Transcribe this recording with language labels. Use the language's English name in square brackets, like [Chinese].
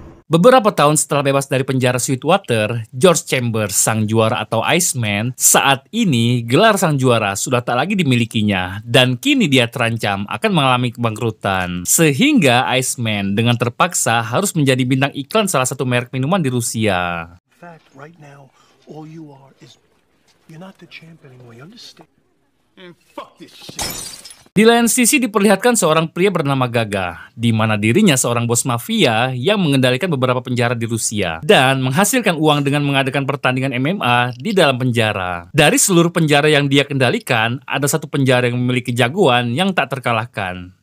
[Indonesian] Beberapa tahun setelah bebas dari penjara Sweetwater, George Chambers, sang juara atau Iceman, saat ini gelar sang juara sudah tak lagi dimilikinya, dan kini dia terancam akan mengalami kebangkrutan. Sehingga Iceman dengan terpaksa harus menjadi bintang iklan salah satu merek minuman di Rusia. [English] In fact, right now, all you are is... You're not the champ anymore, you understand? And fuck this shit! [Indonesian] Di lain sisi diperlihatkan seorang pria bernama Gaga, di mana dirinya seorang bos mafia yang mengendalikan beberapa penjara di Rusia dan menghasilkan uang dengan mengadakan pertandingan MMA di dalam penjara. Dari seluruh penjara yang dia kendalikan, ada satu penjara yang memiliki jagoan yang tak terkalahkan.